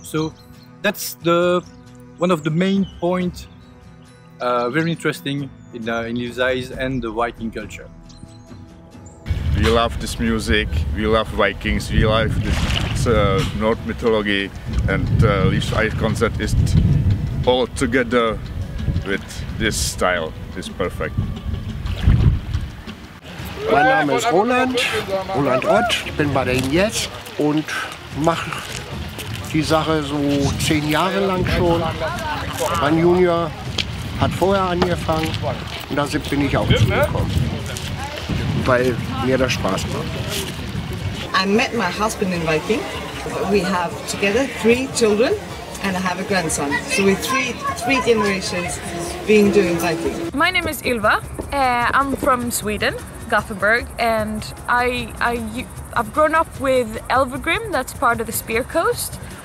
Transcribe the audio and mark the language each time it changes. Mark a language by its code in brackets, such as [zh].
[en] So that's the one of the main points, very interesting in Lys Eyes and the Viking culture. We love this music, we love Vikings, we love this Nord mythology, and Lys Eyes concert is all together with this style, it's perfect. [de] Mein Name ist Roland Ott, ich bin bei den Jets und mache die Sache so 10 Jahre lang schon. Mein Junior hat vorher angefangen und da bin ich auch zugekommen, weil mir das Spaß macht. [en] I met my husband in Viking. We have together 3 children and I have a grandson. So we're three generations being doing Viking. My name is Ylva. I'm from Sweden, Gothenburg, and I've grown up with Elvegrim, that's part of the Spear Coast.